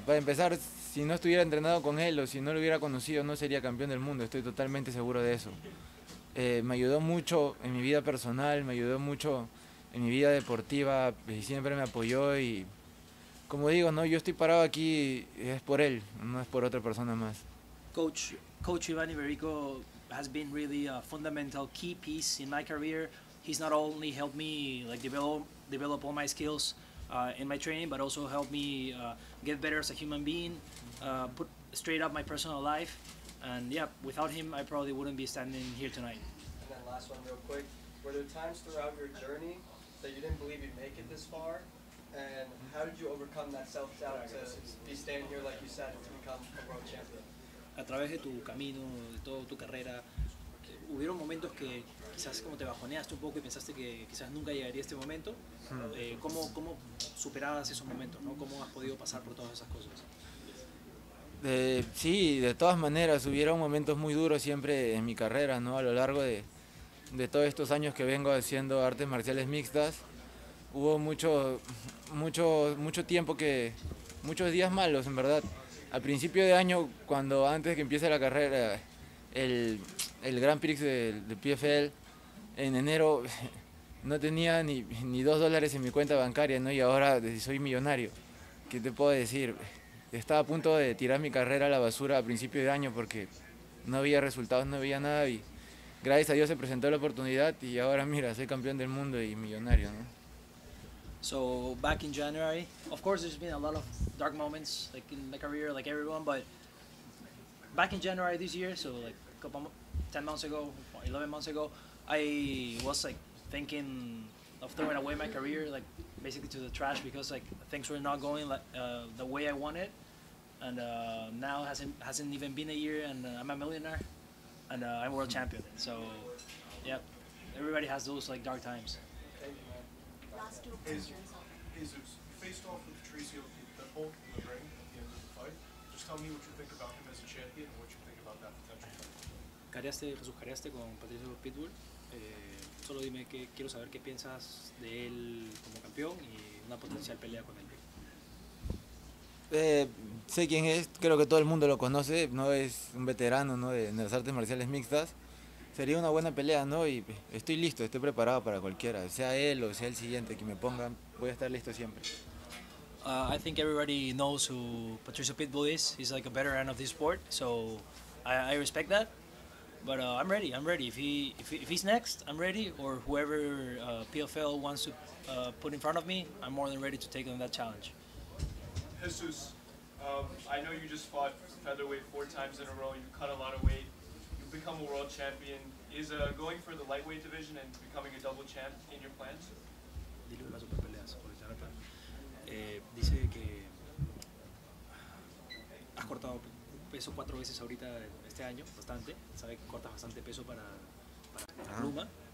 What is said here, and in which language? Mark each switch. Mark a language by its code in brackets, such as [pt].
[es] Para empezar, si no estuviera entrenado con él o si no lo hubiera conocido, no sería campeón del mundo, estoy totalmente seguro de eso. Me ayudó mucho en mi vida personal, me ayudó mucho en mi vida deportiva, y siempre me apoyó y, como digo, ¿no?, yo estoy parado aquí y es por él, no es por otra persona más. [en] Coach Iván Iberico has been really a fundamental key piece in my career. He's not only helped me like develop all my skills in my training, but also helped me get better as a human being, put straight up my personal life. And yeah, without him, I probably wouldn't be standing here tonight. And then last one real quick. Were there times throughout your journey that you didn't believe you'd make it this far? And how did you overcome that self-doubt to be standing here, like you said, to become a world champion? [es] A través de tu camino, de toda tu carrera, hubieron momentos que quizás como te bajoneaste un poco y pensaste que quizás nunca llegaría a este momento. ¿Cómo superabas esos momentos, ¿no? ¿Cómo has podido pasar por todas esas cosas? Sí, de todas maneras, hubieron momentos muy duros siempre en mi carrera, ¿no? A lo largo de todos estos años que vengo haciendo artes marciales mixtas, hubo mucho tiempo muchos días malos, en verdad. Al principio de año, antes que empiece la carrera, el Grand Prix de PFL, en enero no tenía ni $2 en mi cuenta bancaria, ¿no? Y ahora soy millonario. ¿Qué te puedo decir? Estaba a punto de tirar mi carrera a la basura a principio de año porque no había resultados, no había nada, y gracias a Dios se presentó la oportunidad y ahora mira, soy campeón del mundo y millonario, ¿no? [en] So, back in January, of course there's been a lot of dark moments like in my career, like everyone, but back in January this year, so like a couple 10 months ago, 11 months ago, I was like thinking of throwing away my career, like basically to the trash, because like things were not going like the way I wanted. And now hasn't even been a year, and I'm a millionaire, and I'm world champion. So, yeah, everybody has those like dark times. Thank you, man. Last two questions. You faced off with Patricio the Hulk in the ring at the end of the fight. Just tell me what you think about him as a champion and what you think about that potential fight. [es] Careaste, Jesús, careaste con Patricio Pitbull. Solo dime que quiero saber qué piensas de él como campeón y una potencial pelea con él. Sé quién es, creo que todo el mundo lo conoce, no es un veterano, ¿no?, de las artes marciales mixtas. Sería una buena pelea, ¿no?, y estoy listo, estoy preparado para cualquiera, sea él o sea el siguiente que me pongan, voy a estar listo siempre. [en] I think everybody knows who Patricio Pitbull is. He's like a veteran of this sport, so I respect that. But I'm ready. If he's next, I'm ready. Or whoever PFL wants to put in front of me, I'm more than ready to take on that challenge. Jesus, I know you just fought featherweight 4 times in a row. You cut a lot of weight. You've become a world champion. Is going for the lightweight division and becoming a double champ in your plans? [es] Dile una super pelea, por el plan. Dice que has cortado peso 4 veces ahorita este año, bastante, sabe que cortas bastante peso para la pluma.